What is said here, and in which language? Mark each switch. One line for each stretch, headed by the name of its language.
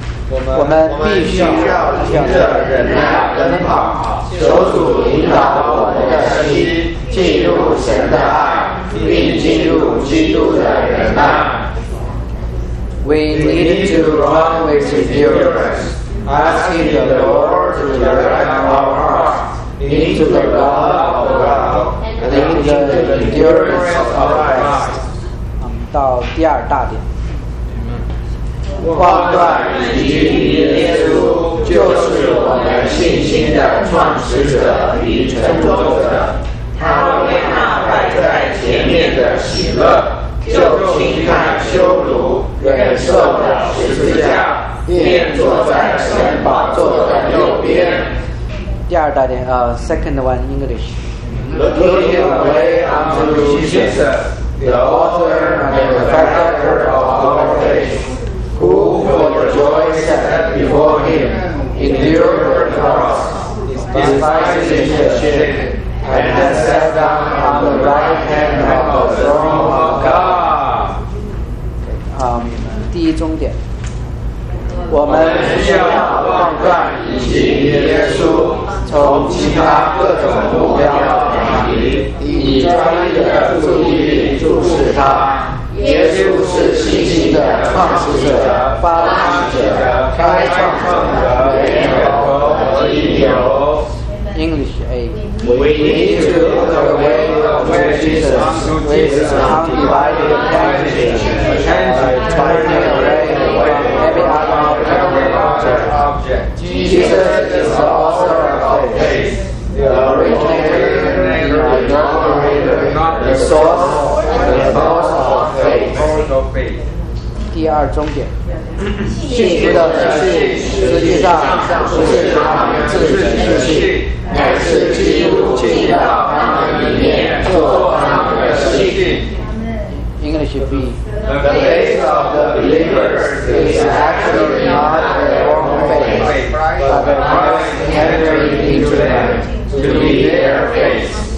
Chinese: 我们必须要凭着忍耐奔跑，求主引导我们的心进入神的爱，并进入基督的忍耐。
English: We need to run with endurance, asking the Lord to direct our hearts into the love of God and into the endurance of Christ。
Chinese: 到第二大点。望断已经耶稣就是我们信心的创始者与成就者，他为那摆在前面的喜乐，就轻看羞辱，忍受了十字架，便坐在神宝座的右边。第二大点
English: second one English。 Looking away unto Jesus, the author and perfecter of our faith. Who for the joy set before him endured the cross, despising his shame, and has sat down on the right hand of the throne of God.
Chinese: 第一终点，我们需要望断以及耶稣，从其他各种目标转移，以专一的注意力注视他。耶稣是信心的创始者、发起者、开创者、源头和引流。
English: English A. We need to look away from Jesus with undivided attention and turn it away from every other object. Jesus is the author of faith, the originator, the inaugurator, the source, and the source of faith. The second point.
Chinese: 信心的自信实际上不是他们自己的自信，乃是基督进到他们里面做他们的信心。
English: English B. The faith of the believers is actually not their own faith, but the Christ entering into them to be their faith.